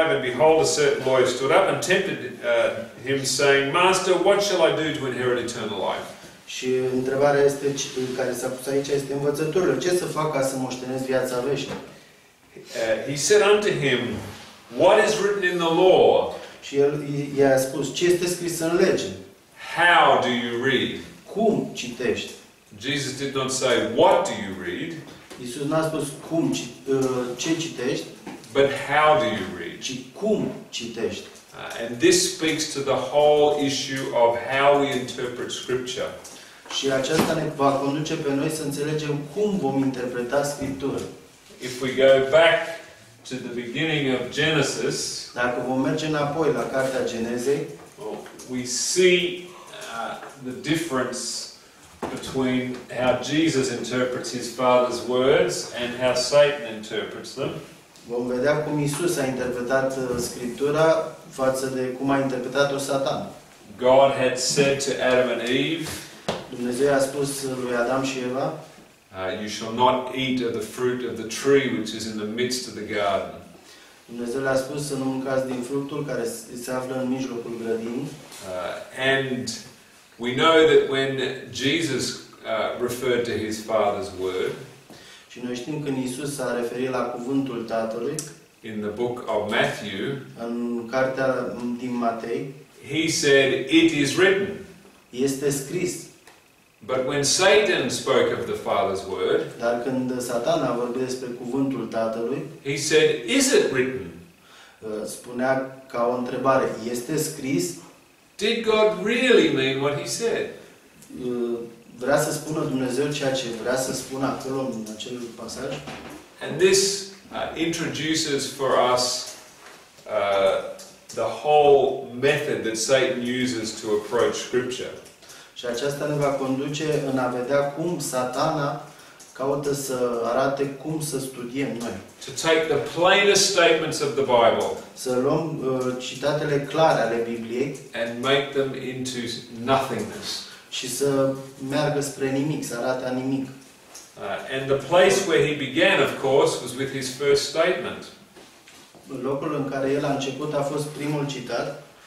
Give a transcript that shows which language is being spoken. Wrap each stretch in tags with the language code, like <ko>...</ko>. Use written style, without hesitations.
<en>And behold, a certain lawyer stood up and tempted him, saying, "Master, what shall I do to inherit eternal life?"</en> <ro>Și întrebarea este care s-a pus aici este învățătorul. Ce să fac ca să moștenesc viața veșnică?</ro> <en>He said unto him, "What is written in the law?"</en> <ro>Și el i-a spus ce este scris în lege.</ro> <en>How do you read?</en> <ro>Cum citești?</ro> <en>Jesus did not say, "What do you read?"</en> <ro>Iisus n-a spus cum ce citești.</ro> <en>But how do you read?</en> <ro>Ci cum citești?</ro> <en>And this speaks to the whole issue of how we interpret Scripture.</en> <ro>Și aceasta ne va conduce pe noi să înțelegem cum vom interpreta Scriptura.</ro> <en>If we go back to the beginning of Genesis,</en> <ro>dacă vom merge înapoi la cartea Genezei,</ro> <en>we see the difference between how Jesus interprets his father's words and how Satan interprets them.</en> <ro>Vom vedea cum Isus a interpretat Scriptura față de cum a interpretat-o Satan.</ro> <en>God had said to Adam and Eve,</en> <ro>Dumnezeu a spus lui Adam și Eva,</ro> <en>"You shall not eat of the fruit of the tree which is in the midst of the garden."</en> <ro>Dumnezeu le-a spus să nu mâncați din fructul care se află în mijlocul grădinii.</ro> <en>And we know that when Jesus referred to his father's word,</en> <ro>și noi știm când Iisus s-a referit la cuvântul Tatălui,</ro> <en>in the book of Matthew,</en> <ro>în cartea din Matei,</ro> <en>he said, "It is written."</en> <ro>Este scris.</ro> <en>But when Satan spoke of the Father's word,</en> <ro>dar când Satan a vorbit despre cuvântul Tatălui,</ro> <en>he said, "Is it written?"</en> <ro>Spunea ca o întrebare, este scris?</ro> <en>Did God really mean what he said?</en> <ro>Vrea să spună Dumnezeu ceea ce vrea să spună acolo în acel pasaj?</ro> <en>And this introduces for us the whole method that Satan uses to approach Scripture.</en> <ro>Și aceasta ne va conduce în a vedea cum Satana caută să arate cum să studiem noi.</ro> <en>To take the plainest statements of the Bible.</en> <ro>Să luăm citatele clare ale Bibliei.</ro> <en>And make them into nothingness.</en> <ro>Și să meargă spre nimic, să arate a nimic.</ro> <en>And the place where he began, of course, was with his first statement.</en> <ro>Locul în care el a început a fost primul citat.</ro>